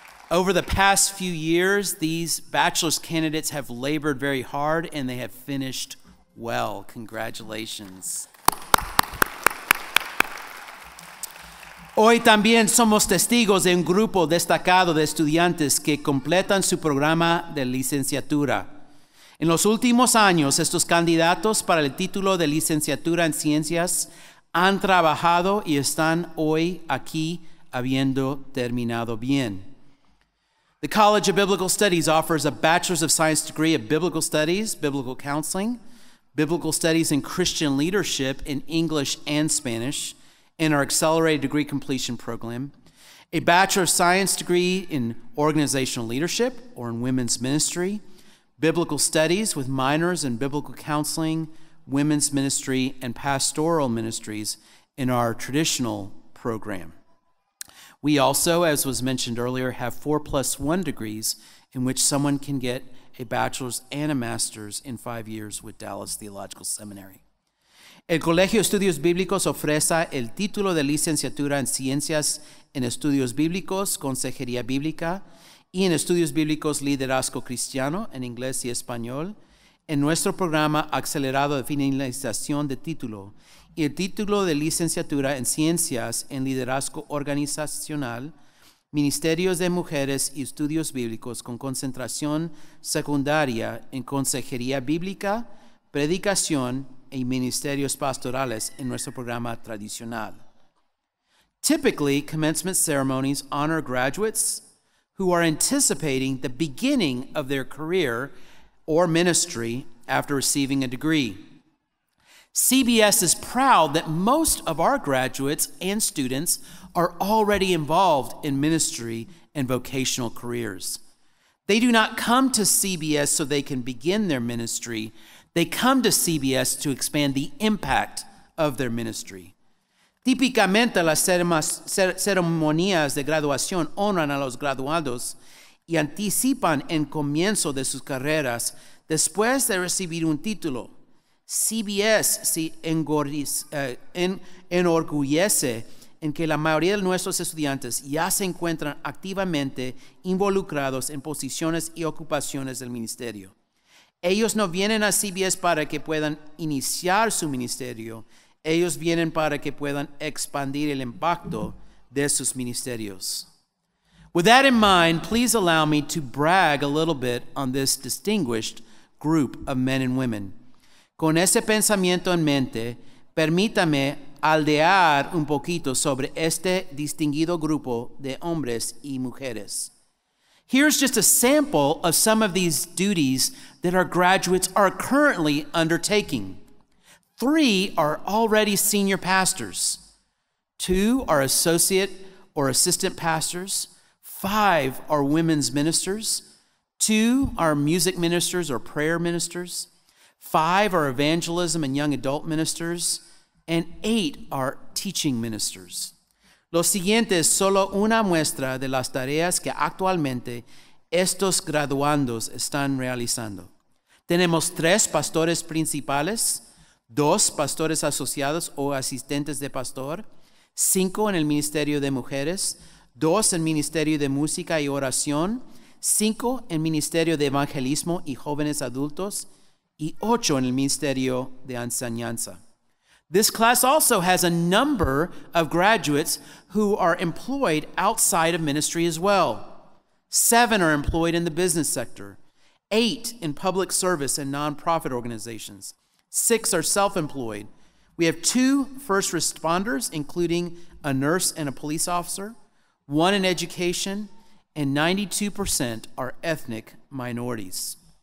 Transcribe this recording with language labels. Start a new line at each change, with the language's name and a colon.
English: Over the past few years, these bachelor's candidates have labored very hard and they have finished well. Congratulations.
Spanish: Hoy también somos testigos de un grupo destacado de estudiantes que completan su programa de licenciatura. En los últimos años, estos candidatos para el título de licenciatura en ciencias han trabajado y están hoy aquí habiendo terminado bien.
English: The College of Biblical Studies offers a Bachelor's of Science degree in Biblical Studies, Biblical Counseling, Biblical Studies in Christian Leadership in English and Spanish, in our accelerated degree completion program, a Bachelor of Science degree in Organizational Leadership or in Women's Ministry, Biblical Studies with minors in Biblical Counseling, Women's Ministry, and Pastoral Ministries in our traditional program. We also, as was mentioned earlier, have 4+1 degrees in which someone can get a bachelor's and a master's in 5 years with Dallas Theological Seminary.
Spanish: El Colegio de Estudios Bíblicos ofrece el título de licenciatura en Ciencias en Estudios Bíblicos, Consejería Bíblica, y en Estudios Bíblicos Liderazgo Cristiano, en inglés y español, en nuestro programa acelerado de finalización de título, y el título de licenciatura en Ciencias en Liderazgo Organizacional, Ministerios de Mujeres y Estudios Bíblicos con concentración secundaria en Consejería Bíblica, Predicación, y ministerios pastorales en nuestro programa tradicional.
English: Typically, commencement ceremonies honor graduates who are anticipating the beginning of their career or ministry after receiving a degree. CBS is proud that most of our graduates and students are already involved in ministry and vocational careers. They do not come to CBS so they can begin their ministry. They come to CBS to expand the impact of their ministry.
Spanish: Típicamente, las ceremonias de graduación honran a los graduados y anticipan el comienzo de sus carreras después de recibir un título. CBS se enorgullece en que la mayoría de nuestros estudiantes ya se encuentran activamente involucrados en posiciones y ocupaciones del ministerio. Ellos no vienen a CBS para que puedan iniciar su ministerio. Ellos vienen para que puedan expandir el impacto de sus ministerios.
English: With that in mind, please allow me to brag a little bit on this distinguished group of men and women.
Spanish: Con ese pensamiento en mente, permítame aldear un poquito sobre este distinguido grupo de hombres y mujeres.
English: Here's just a sample of some of these duties that our graduates are currently undertaking. 3 are already senior pastors. 2 are associate or assistant pastors. 5 are women's ministers. 2 are music ministers or prayer ministers. 5 are evangelism and young adult ministers. And 8 are teaching ministers.
Spanish: Lo siguiente es solo una muestra de las tareas que actualmente estos graduandos están realizando. Tenemos 3 pastores principales, 2 pastores asociados o asistentes de pastor, 5 en el Ministerio de Mujeres, 2 en Ministerio de Música y Oración, 5 en Ministerio de Evangelismo y Jóvenes Adultos, y 8 en el Ministerio de Enseñanza.
English: This class also has a number of graduates who are employed outside of ministry as well. 7 are employed in the business sector, 8 in public service and nonprofit organizations, 6 are self-employed. We have 2 first responders, including a nurse and a police officer, 1 in education, and 92% are ethnic minorities.